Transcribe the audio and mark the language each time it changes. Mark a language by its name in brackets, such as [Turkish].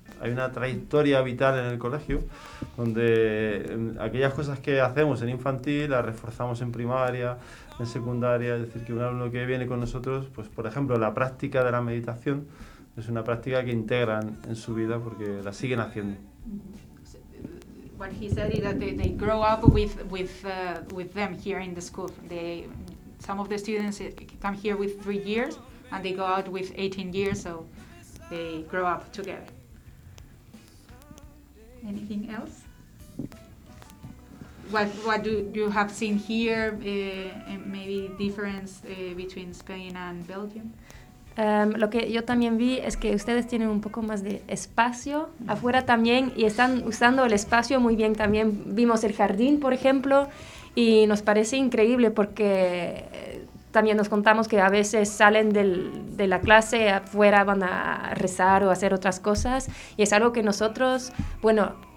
[Spanish] Hay una trayectoria vital en el colegio donde aquellas cosas que hacemos en infantil las reforzamos en primaria, en secundaria. Es decir, que un alumno que viene con nosotros, pues por ejemplo, la práctica de la meditación es una práctica que integran en su vida porque la siguen haciendo. [English] What he said is that they grow up with them here in the school. Some of the students come here with 3 years and they go out with 18 years, so they grow up together. Anything else? What do you have seen here, maybe difference between Spain and Belgium? [Spanish] Lo que yo también vi es que ustedes tienen un poco más de espacio afuera también, y están usando el espacio muy bien también. Vimos el jardín, por ejemplo, y nos parece increíble porque también nos contamos que a veces salen de la clase, afuera van a rezar o hacer otras cosas, y es algo que nosotros, bueno,